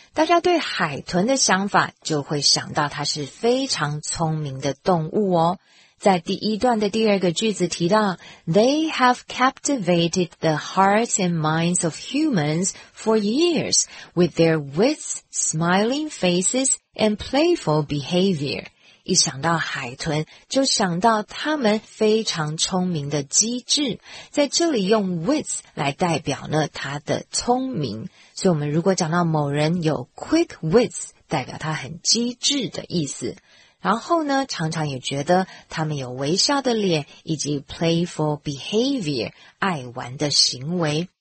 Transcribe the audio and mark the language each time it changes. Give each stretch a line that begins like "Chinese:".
Chinese: 大家对海豚的想法就会想到它是非常聪明的动物哦。在第一段的第二个句子提到
English: They have captivated the hearts and minds of humans for years with their wits, smiling faces, and playful behavior.
Chinese: 一想到海豚就想到他们非常聪明的机智。在这里用 wits 来代表呢他的聪明。所以我们如果讲到某人有
English: quick wits,
Chinese: 代表他很机智的意思。然后呢常常也觉得他们有微笑的脸以及
English: playful behavior,
Chinese: 爱玩的行为。